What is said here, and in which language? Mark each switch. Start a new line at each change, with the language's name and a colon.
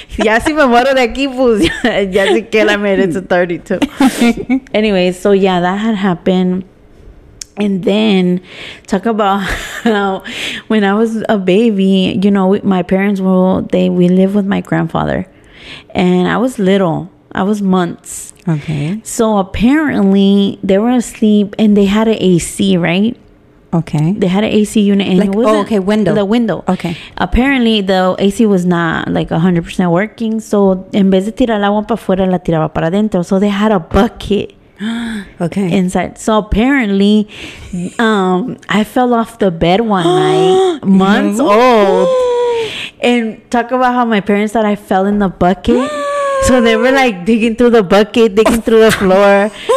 Spanish: Ya si me muero de aquí, pues ya sé que la
English: made it to 32. Anyways, so yeah, that had happened. And then talk about how when I was a baby, you know, my parents were, we lived with my grandfather, and I was little. I was months. Okay. So apparently they were asleep and they had an AC, right? Okay. They had an AC unit. And like, it was window. The window. Okay. Apparently the AC was not like 100% working.
Spanish: So en vez de tirar el agua para afuera, la tiraba para adentro.
English: So they had a bucket. Okay. Inside. So apparently, I fell off the bed one night, months old, and talk about how my parents thought I fell in the bucket. So they were like digging through the bucket, digging through the floor.